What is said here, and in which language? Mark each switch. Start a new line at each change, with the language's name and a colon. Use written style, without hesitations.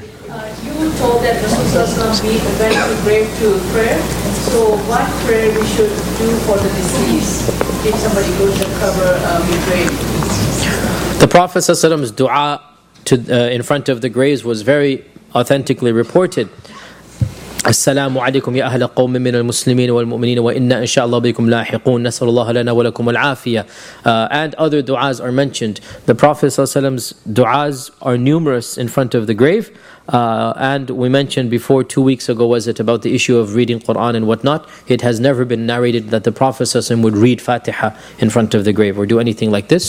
English: You were told that Rasulullah SAW went to prayer. So what prayer we should do for the deceased if somebody goes to cover the grave? The Prophet SAW's dua in front of the graves was very authentically reported.
Arabic: السلام عليكم يا أهل قوم من المسلمين والمؤمنين وإنا إن شاء الله بكم لاحقون نسأل الله لنا ولكم العافية.
English: And other du'as are mentioned. The Prophet ﷺ's du'as are numerous in front of the grave. And we mentioned before, 2 weeks ago was it, about the issue of reading Quran and whatnot. It has never been narrated that the Prophet ﷺ would read Fatiha in front of the grave or do anything like this.